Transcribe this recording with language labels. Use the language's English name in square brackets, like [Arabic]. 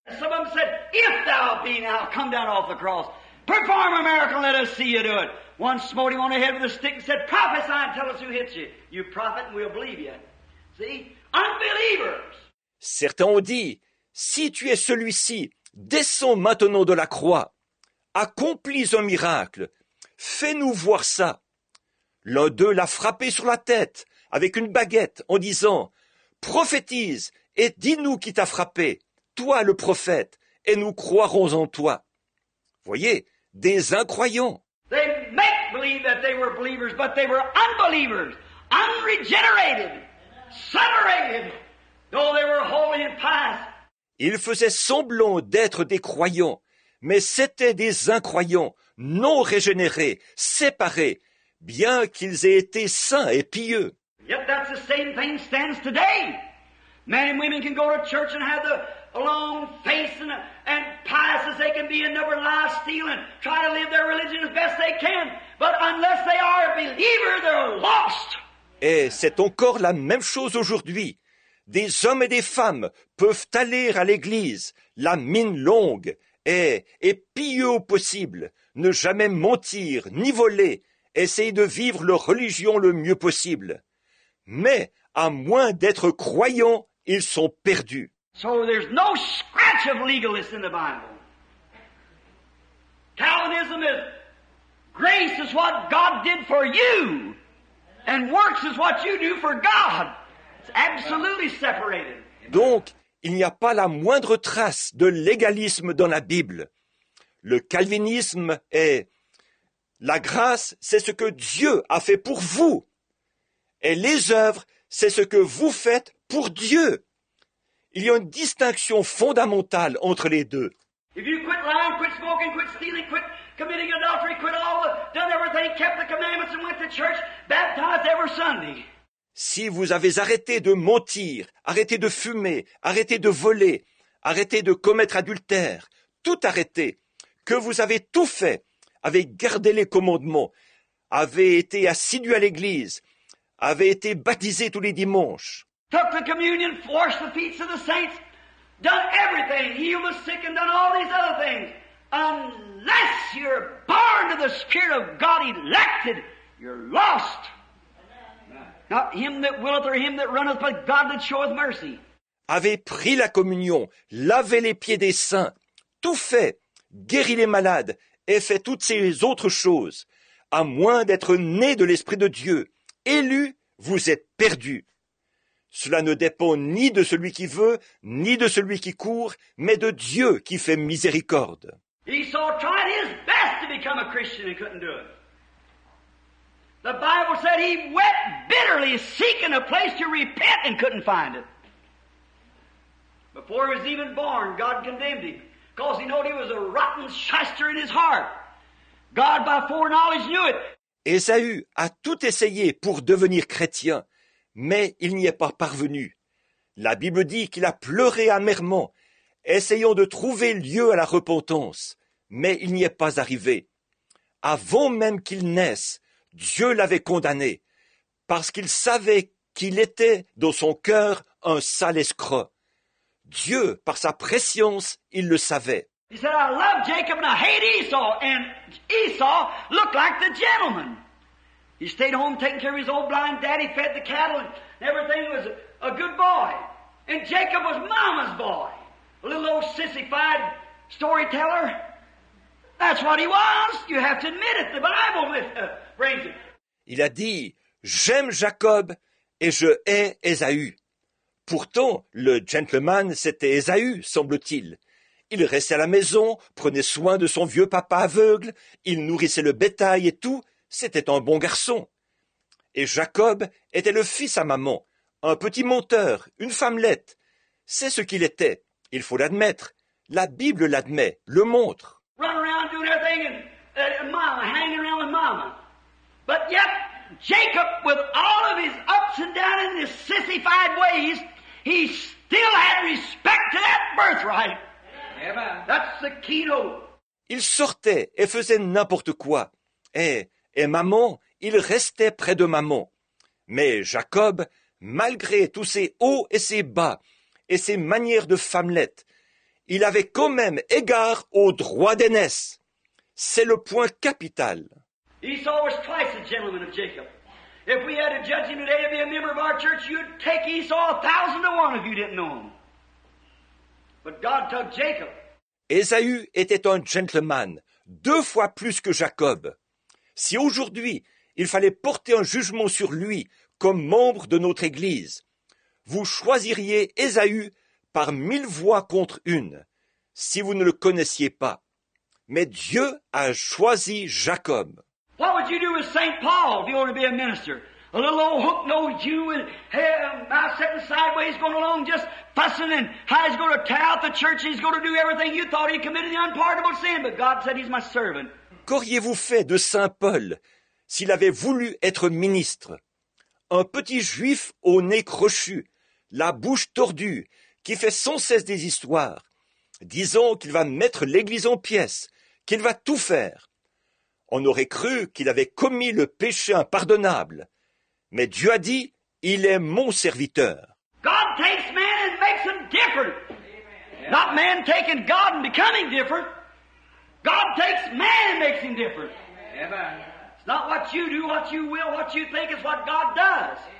[English] Some of them said, if thou be now, come down off the cross. Perform a miracle, let us see you do it. One smote him on the head with a stick and said, prophesy and tell us who hits you. You prophet, and we'll believe you. See? Unbelievers! [French] Certains ont dit, si tu es celui-ci, descends maintenant de la croix. accomplis un miracle. Fais-nous voir ça. » L'un d'eux l'a frappé sur la tête avec une baguette en disant « Prophétise et dis-nous qui t'a frappé, toi le prophète, et nous croirons en toi. » Voyez, des incroyants. [English] They make believe that they were believers, but they were unbelievers, unregenerated, separated, though they were holy and pious. [French] Ils faisaient semblant d'être des croyants, mais c'étaient des incroyants, non régénérés, séparés, bien qu'ils aient été saints et pieux. [English] Yet that's the same thing stands today. Men and women can go to church and have the long face and pious as they can be and never lie, steal, and try to live their religion as best they can. But unless they are a believer, they're lost. [French] Et c'est encore la même chose aujourd'hui. Des hommes et des femmes peuvent aller à l'église, la mine longue, et pieux au possible, ne jamais mentir ni voler, essayer de vivre leur religion le mieux possible. Mais à moins d'être croyants, ils sont perdus. [English] So there's no scratch of legalists in the Bible. Calvinism is grace is what God did for you, and works is what you do for God. Absolutely separated. [French] Donc, il n'y a pas la moindre trace de légalisme dans la Bible. Le calvinisme est « La grâce, c'est ce que Dieu a fait pour vous. Et les œuvres, c'est ce que vous faites pour Dieu. » Il y a une distinction fondamentale entre les deux. [English] If you quit lying, quit smoking, quit stealing, quit committing adultery, quit all, done everything, kept the commandments and went to church, baptized every Sunday. [French] Si vous avez arrêté de mentir, arrêté de fumer, arrêté de voler, arrêté de commettre adultère, tout arrêté, que vous avez tout fait, avez gardé les commandements, avez été assidu à l'église, avez été baptisé tous les dimanches. [English] Took the communion, washed the feet of the saints, done everything, healed the sick and done all these other things. Unless you're born of the Spirit of God elected, you're lost. Not him that willeth or him that runneth, but God that showeth mercy. [French] Avez pris la communion, lavé les pieds des saints, tout fait, guéri les malades et fait toutes ces autres choses. À moins d'être né de l'Esprit de Dieu, élu, vous êtes perdu. Cela ne dépend ni de celui qui veut, ni de celui qui court, mais de Dieu qui fait miséricorde. [English] Esau tried his best to become a Christian and couldn't do it. The Bible said he wept bitterly seeking a place to repent and couldn't find it. Before he was even born, God condemned him because he knew he was a rotten shyster in his heart. God by foreknowledge knew it. [French] Esaü a tout essayé pour devenir chrétien, mais il n'y est pas parvenu. La Bible dit qu'il a pleuré amèrement, essayant de trouver lieu à la repentance, mais il n'y est pas arrivé. Avant même qu'il naisse, Dieu l'avait condamné, parce qu'il savait qu'il était dans son cœur un sale escroc. Dieu, par sa prescience, il le savait. [English] He said, I love Jacob and I hate Esau. And Esau looked like the gentleman. He stayed home taking care of his old blind daddy, fed the cattle, and everything was a good boy. And Jacob was mama's boy, a little old sissified storyteller. That's what he was. You have to admit it. The Bible with [French] Il a dit, j'aime Jacob et je hais Esaü. Pourtant, le gentleman, c'était Esaü, semble-t-il. Il restait à la maison, prenait soin de son vieux papa aveugle, il nourrissait le bétail et tout, c'était un bon garçon. Et Jacob était le fils à maman, un petit menteur, une femmelette. C'est ce qu'il était, il faut l'admettre. La Bible l'admet, le montre. [English] Run around doing everything and mama, hanging around with mama. But yet, Jacob, with all of his ups and downs and his sissified ways, he still had respect to that birthright. Amen. That's the keynote. [French] Il sortait et faisait n'importe quoi. Et maman, il restait près de maman. Mais Jacob, malgré tous ses hauts et ses bas et ses manières de femmelette, il avait quand même égard au droit d'aînesse. C'est le point capital. [English] Esau was twice the gentleman of Jacob. If we had to judge him today to be a member of our church, you'd take Esau 1,000 to 1 if you didn't know him. But God took Jacob. [French] Esaü était un gentleman, deux fois plus que Jacob. Si aujourd'hui, il fallait porter un jugement sur lui comme membre de notre Église, vous choisiriez Ésaü par 1000 voix contre une, si vous ne le connaissiez pas. Mais Dieu a choisi Jacob. [English] What would you do with Saint Paul if you want to be a minister? A little old hook-nosed Jew with hair, mouth sitting sideways, going along, just fussing, and how he's going to tear out the church, he's going to do everything you thought he committed the unpardonable sin, but God said he's my servant. [French] Qu'auriez-vous fait de Saint Paul s'il avait voulu être ministre? Un petit juif au nez crochu, la bouche tordue, qui fait sans cesse des histoires, disant qu'il va mettre l'Église en pièces, qu'il va tout faire. On aurait cru qu'il avait commis le péché impardonnable. Mais Dieu a dit, il est mon serviteur. [English] God takes man and makes him different. Not man taking God and becoming different. God takes man and makes him different. It's not what you do, what you will, what you think, it's what God does.